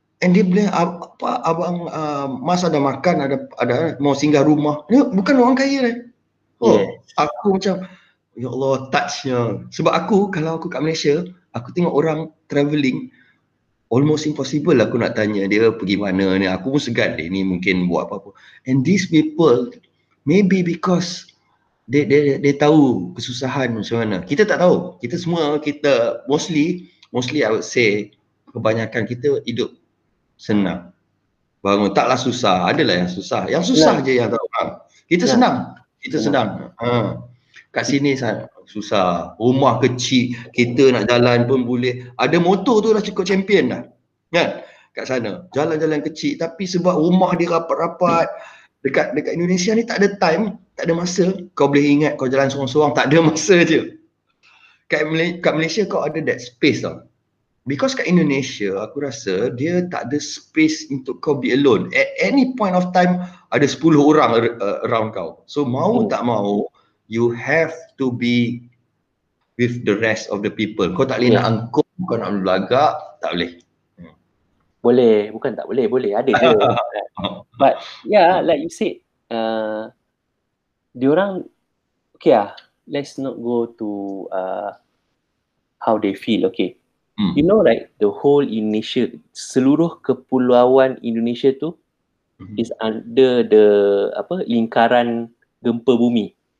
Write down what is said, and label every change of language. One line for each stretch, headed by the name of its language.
Malay: And dia boleh, abang Mas ada makan, ada mau singgah rumah. Dia bukan orang kaya kan. Aku macam, ya Allah, touchnya. Sebab aku, kalau aku kat Malaysia, aku tengok orang travelling,
English: Almost impossible
Malay: aku nak tanya dia pergi mana ni. Aku pun segan dia ni mungkin buat apa-apa.
English: And these people, maybe because they
Malay: tahu kesusahan macam mana. Kita tak tahu. Kita semua, kita
English: mostly I would say
Malay: kebanyakan kita hidup senang. Bangun taklah susah. Adalah yang susah. Yang susah je yang tahu. Kita senang. Kita senang. Kat sini susah. Rumah kecil, kita nak jalan pun boleh. Ada motor tu dah cukup champion dah. Kan? Kat sana. Jalan-jalan kecil tapi sebab rumah dia rapat-rapat. Dekat Indonesia ni tak ada time, tak ada masa. Kau boleh ingat kau jalan seorang-seorang, tak ada masa je. Kat Malaysia kau ada
English: that space
Malay: tau. Because kat Indonesia, aku rasa dia tak ada space untuk kau
English: be alone. At any point of time,
Malay: ada 10 orang
English: around kau. So,
Malay: mau tak mau,
English: you have to be with the rest of the people.
Malay: Kau tak boleh nak angkut, kau nak belagak, tak boleh. Boleh, bukan tak boleh, boleh, ada je.
English: But, yeah, like you said, diorang, okay lah, let's not go to how they feel, okay. You know, like the whole Indonesia,
Malay: seluruh kepulauan Indonesia tu
English: is under the
Malay: apa lingkaran gempa bumi.